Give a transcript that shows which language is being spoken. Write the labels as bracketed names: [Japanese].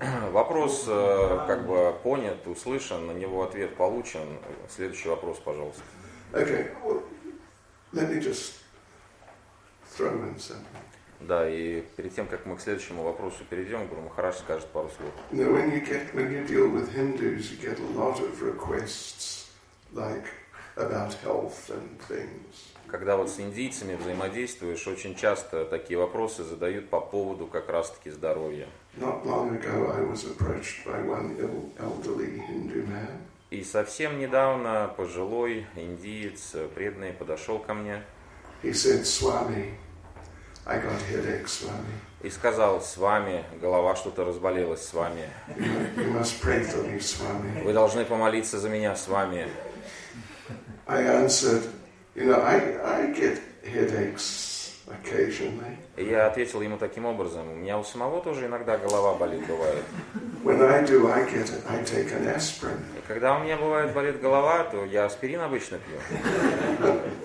[Russian] Вопрос как бы понят, услышан, на него ответ получен. Следующий вопрос, пожалуйста. [English] Okay. Well, let me just throw in something. [Russian] Да, и перед тем, как мы к следующему вопросу перейдем, Гуру Махарадж скажет пару слов. [English] Now, when you deal with Hindus, you get a lot of requests, like, about health and things. [Russian] Когда вот с индийцами взаимодействуешь, очень часто такие вопросы задают по поводу как раз-таки здоровья. [English] Not long ago I was approached by one elderly Hindu man. [Russian] И совсем недавно пожилой индиец, преданный, подошел ко мне. [English] He said, Swami, I got headaches, Swami. [Russian] И сказал, Свами, голова что-то разболелась, Свами. [English] You must pray for me, Swami. [Russian] Вы должны помолиться за меня, Свами. [English] I answered, you know, I get headaches occasionally. [Russian] Я ответил ему таким образом, у меня у самого тоже иногда голова болит, бывает. [English] When I do, I take an aspirin. [Russian] И когда у меня бывает болит голова, то я аспирин обычно пью.